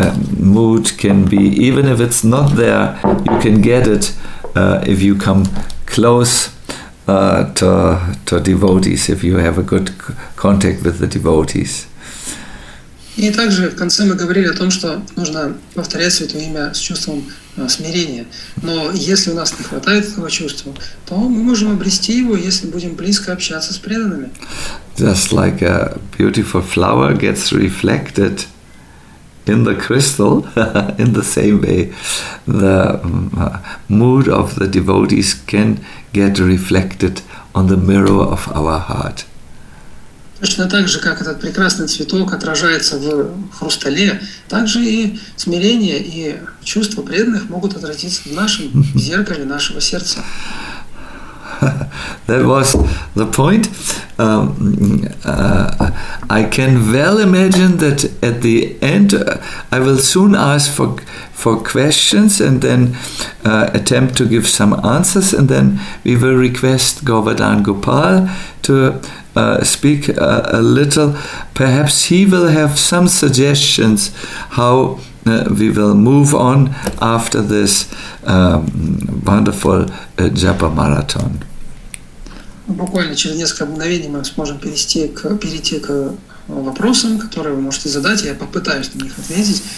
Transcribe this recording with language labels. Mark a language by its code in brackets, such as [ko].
[en] mood can be, even if it's not there, you can get it if you come close to devotees, if you have a good contact with the devotees. [ru] И также в конце мы говорили о том, что нужно повторять святое имя с чувством смирения. Но если у нас не хватает этого чувства, то мы можем обрести его, если будем близко общаться с преданными. [en] Just like a beautiful flower gets reflected in the crystal, in the same way, the mood of the devotees can get reflected on the mirror of our heart. [ru] Точно так же, как этот прекрасный цветок отражается в хрустале, так же и смирение и чувство преданных могут отразиться в нашем зеркале нашего сердца. [en] That was the point. I can well imagine that at the end I will soon ask for questions and then attempt to give some answers, and then we will request Govardhan Gopal to speak a little. Perhaps he will have some suggestions how we will move on after this wonderful japa marathon. [ru] Буквально через несколько мгновений мы сможем перейти к вопросам, которые вы можете задать, я попытаюсь на них ответить.